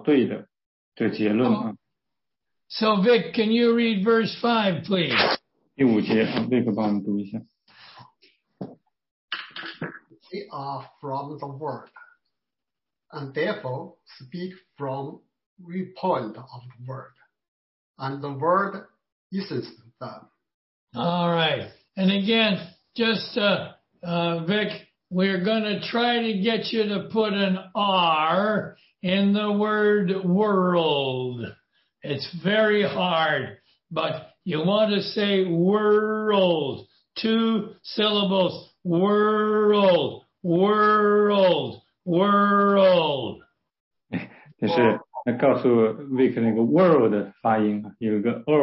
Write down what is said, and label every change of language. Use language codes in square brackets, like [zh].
[zh] 第五节，他们不属世界的人，他们不知道耶稣，他们也不能够得着对的结论啊。 [en] So Vic, can you read verse 5, please? [zh] 第五节，Vic帮我们读一下。 [en] They are from the world, and therefore speak from viewpoint of the world, and the world isn't them. All right. And again, just Vic, we're going to try to get you to put an R in the word world. It's very hard, but you want to say world, two syllables, world. World, world. [zh] 但是告诉Vic那个 world 发音，有个